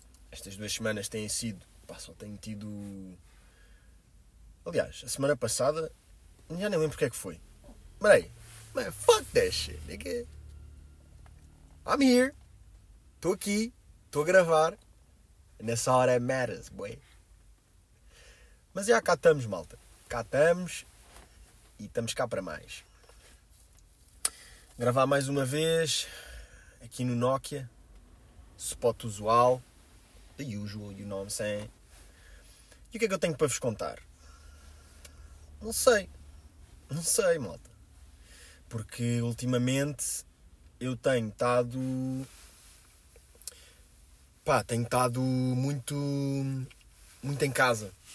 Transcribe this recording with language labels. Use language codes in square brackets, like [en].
[pt] Estas duas semanas têm sido... Pá, só tenho tido... Aliás, a semana passada... Já nem lembro porque é que foi. Mas aí... [en] Man, fuck that shit, nigga. I'm here. [pt] Estou aqui. Estou a gravar. Nessa hora [en] it matters, boy. [pt] Mas já cá estamos, malta. Cá estamos. E estamos cá para mais. Gravar mais uma vez. Aqui no Nokia. Spot usual. [en] The usual, you know what I'm saying. [pt] E o que é que eu tenho para vos contar? Não sei. Não sei, malta. Porque ultimamente eu tenho estado. Pá, tenho estado muito. Muito em casa.